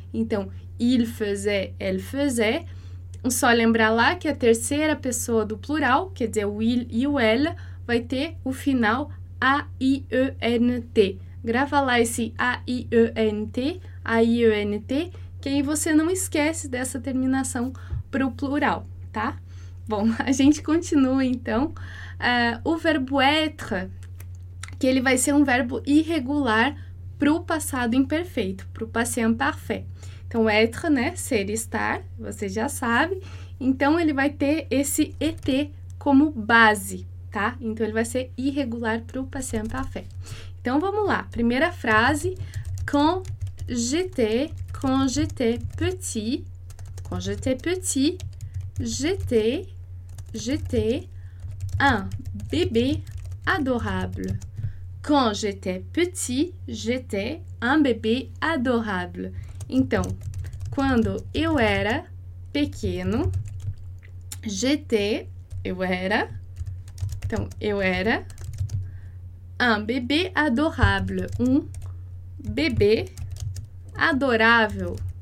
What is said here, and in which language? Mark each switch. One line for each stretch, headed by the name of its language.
French: Então, il faisait, elle faisait.
Portuguese: Só lembrar lá que a terceira pessoa do plural, quer dizer, o il e o elle, vai ter o final A-I-E-N-T. Grava lá esse A-I-E-N-T, A-I-E-N-T. Que aí você não esquece dessa terminação para o plural, tá? Bom, a gente continua então. O verbo être, que ele vai ser um verbo irregular para o passado imperfeito, para o passé imparfait. Então, être, né? Ser, estar, você já sabe. Então, ele vai ter esse ET como base, tá? Então, ele vai ser irregular para o passé imparfait. Então, vamos lá. Primeira frase:
French: quand j'étais petit, j'étais un bébé adorable. Quand j'étais petit, j'étais un bébé adorable.
Portuguese: Então, quando eu era pequeno, então eu era
French: un bébé adorable,
Portuguese: um bebê adorável.